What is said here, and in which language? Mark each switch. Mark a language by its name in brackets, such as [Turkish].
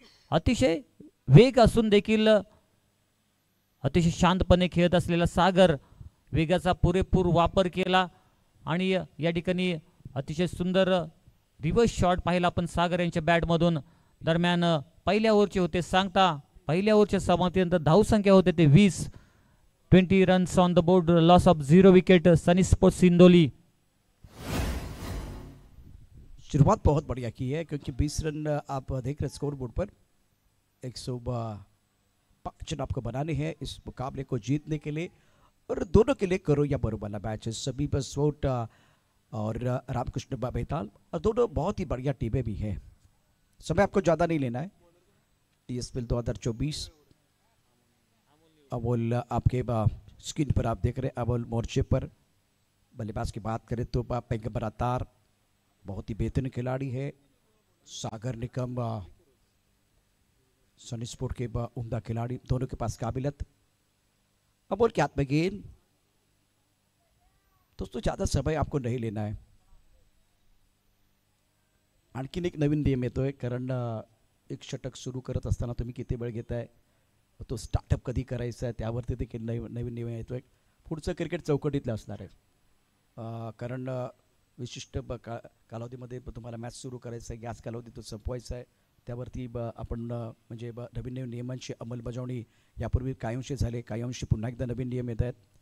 [Marathi] अतिशय वेग असून देखील अतिशय शांतपणे खेळत असलेला सागर वेगाचा पुरेपूर वापर केला आणि या ठिकाणी अतिशय सुंदर रिवर्स शॉट पाहिला आपण सागर यांच्या बॅटमधून. दरम्यान पहिल्या ओव्हरचे होते सांगता, पहिल्या ओव्हरच्या समाप्तीनंतर धावसंख्या होते ते 20, [English] 20 runs on the board, loss of 0 wicket, [Marathi] Sunny sports सिंधोली. [Hindi] शुरुआत बहुत बढ़िया की है क्योंकि 20 रन आप देख रहे स्कोर बोर्ड पर, 105 रन आपको बनाने हैं इस मुकाबले को जीतने के लिए और दोनों के लिए करो या मरो वाला मैच है. सभी पर स्पोर्ट और रामकृष्ण बेताल और दोनों बहुत ही बढ़िया टीमें भी हैं. समय आपको ज़्यादा नहीं लेना है. TSPL 2024 अमोल आपके स्क्रीन पर आप देख रहे हैं. अमोल मोर्चे पर बल्लेबाज की बात करें तो पैगंबर अतार बहुत ही बेहतरीन खिलाड़ी है, सागर निकम सनी स्पोर्ट के उम्दा खिलाड़ी, दोनों के पास काबिलियत. अमोल के हाथ में गेंद, दोस्तों ज्यादा समय आपको नहीं लेना है. [Marathi] आणखीन एक नवीन नियम येतोय, कारण एक षटक सुरू करत असताना तुम्ही किती वेळ घेताय, तो स्टार्टअप कधी करायचा आहे त्यावरती देखील नवीन नियम येतोय. पुढचं क्रिकेट चौकटीतलं असणार आहे, कारण विशिष्ट कालावधीमध्ये तुम्हाला मॅच सुरू करायचं आहे, याच कालावधी तो संपवायचा आहे, त्यावरती आपण म्हणजे नवीन नवीन नियमांची अंमलबजावणी यापूर्वी कायमशी झाले, कायमशी पुन्हा एकदा नवीन नियम येत आहेत.